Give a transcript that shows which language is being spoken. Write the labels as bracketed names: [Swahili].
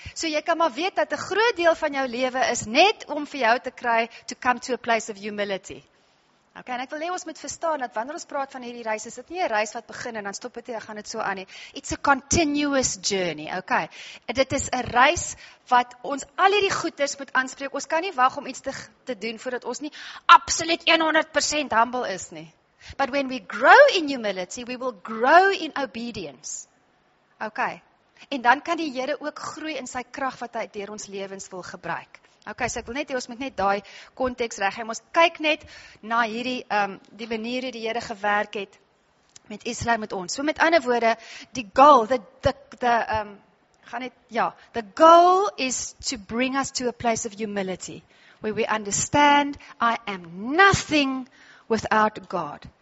[Afrikaans] So jy kan maar weet dat 'n groot deel van jou lewe is net om vir jou te kry [English] to come to a place of humility. [Afrikaans] Okay, en ek wil hê ons moet verstaan dat wanneer ons praat van hierdie reis, is dit nie 'n reis wat begin en dan stop dit en gaan dit so aan nie. [English] It's a continuous journey, okay. [Afrikaans] Dit is 'n reis wat ons al hierdie goeders moet aanspreek. Ons kan nie wag om iets te doen voordat ons nie absoluut 100% humble is nie. [English] But when we grow in humility, we will grow in obedience. Okay. [Afrikaans] En dan kan die Here ook groei in sy krag wat hy deur ons lewens wil gebruik. Ok, so ek wil net hê, ons moet net daai konteks reg hê. Ons kyk net na hierdie, die manier hoe die Here gewerk het met Israel, met ons. So met ander woorde, [English] the goal is to bring us to a place of humility, where we understand, I am nothing without God.